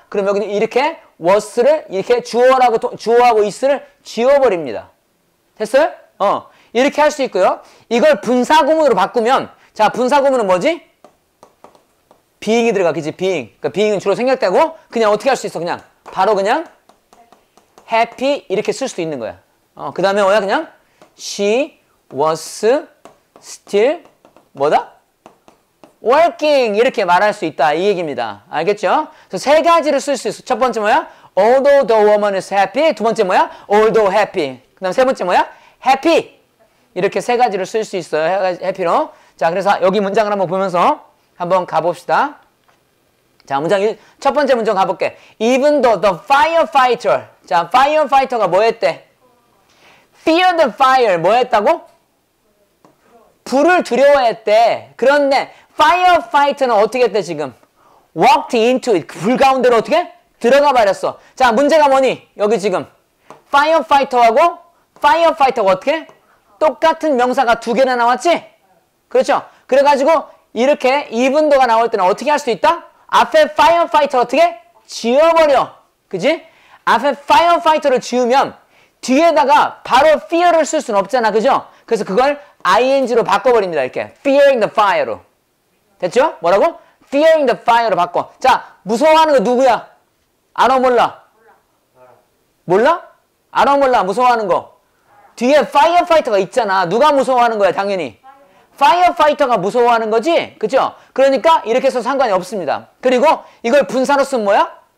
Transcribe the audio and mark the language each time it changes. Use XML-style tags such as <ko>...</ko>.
<ko>그럼 여기는 이렇게 was를 이렇게 주어하고 is를 지워버립니다. 됐어요? 이렇게 할 수 있고요. 이걸 분사구문으로 바꾸면, 자, 분사구문은 뭐지? being이 들어가, 그지?</ko> <en>being.</en> <ko>그러니까 being은 주로 생략되고, 그냥 어떻게 할 수 있어? 그냥, 바로 그냥 happy 이렇게 쓸 수도 있는 거야. 그 다음에 뭐야? 그냥</ko> <en>she was still</en> <ko>뭐다? working 이렇게 말할 수 있다, 이 얘기입니다. 알겠죠? 그래서 세 가지를 쓸 수 있어. 첫 번째 뭐야?</ko> <en>although the woman is happy.</en> <ko>두 번째 뭐야?</ko> <en>although happy.</en> <ko>그 다음 세 번째 뭐야? happy. 이렇게 세 가지를 쓸 수 있어요, 해피로. 자, 그래서 여기 문장을 한번 보면서 한번 가봅시다. 자, 문장 첫 번째 문장 가볼게.</ko> <en>Even though the firefighter.</en> <ko>자, firefighter가 뭐 했대?</ko> <en>Fear the fire.</en> <ko>뭐 했다고? 불을 두려워했대. 그런데 firefighter는 어떻게 했대 지금?</ko> <en>Walked into it.</en> <ko>불 가운데로 어떻게? 들어가 버렸어. 자, 문제가 뭐니? 여기 지금 firefighter하고 firefighter가 어떻게? 똑같은 명사가 두 개나 나왔지? 그렇죠? 그래가지고 이렇게 even though가 나올 때는 어떻게 할 수 있다? 앞에 firefighter 어떻게? 지워버려. 그지? 앞에 firefighter를 지우면 뒤에다가 바로 fear를 쓸 수는 없잖아. 그죠? 그래서 그걸 ing로 바꿔버립니다. 이렇게</ko> <en>fearing the fire로.</en> <ko>됐죠? 뭐라고?</ko> <en>fearing the fire로</en> <ko>바꿔. 자, 무서워하는 거 누구야? 알아 몰라? 몰라? 알아 몰라? 무서워하는 거 뒤에 firefighter가 있잖아. 누가 무서워하는 거야, 당연히? firefighter가 무서워하는 거지? 그죠? 그러니까 이렇게 써도 상관이 없습니다. 그리고 이걸 분사로 쓰면 뭐야?</ko>